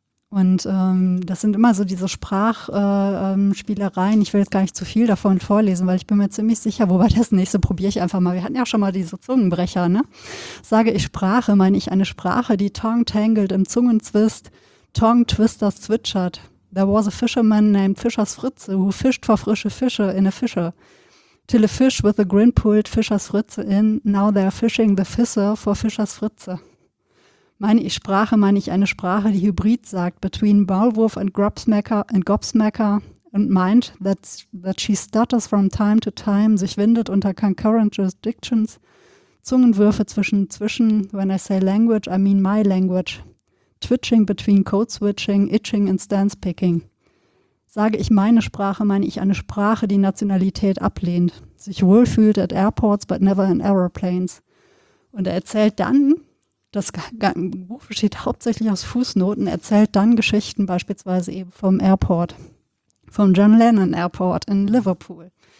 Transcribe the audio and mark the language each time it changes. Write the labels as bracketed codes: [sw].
[de] Und das sind immer so diese Sprachspielereien. Ich will jetzt gar nicht zu viel davon vorlesen, weil ich bin mir ziemlich sicher, wobei das nächste probiere ich einfach mal. Wir hatten ja schon mal diese Zungenbrecher, ne? Sage ich Sprache, meine ich eine Sprache, die Tongue tangled im Zungenzwist, Tongue twisters zwitschert. [en] There was a fisherman named Fischers Fritze, who fished for [de] frische Fische [en] in a fisher. Till a fish with a grin pulled Fischers Fritze in, now they're fishing the fisher for Fischers Fritze. [de] Meine ich Sprache, meine ich eine Sprache, die Hybrid sagt, [en] between Maulwurf and Gobsmacker and meint, that she stutters from time to time, [de] sich windet unter [en] concurrent jurisdictions, [de] Zungenwürfe zwischen, [en] when I say language, I mean my language. Twitching between code switching, itching and stance picking. [de] Sage ich meine Sprache, meine ich eine Sprache, die Nationalität ablehnt, sich wohlfühlt [en] at airports, but never in aeroplanes. [de] Und er erzählt dann, das Buch besteht hauptsächlich aus Fußnoten, erzählt dann Geschichten beispielsweise eben vom Airport, vom John Lennon Airport in Liverpool.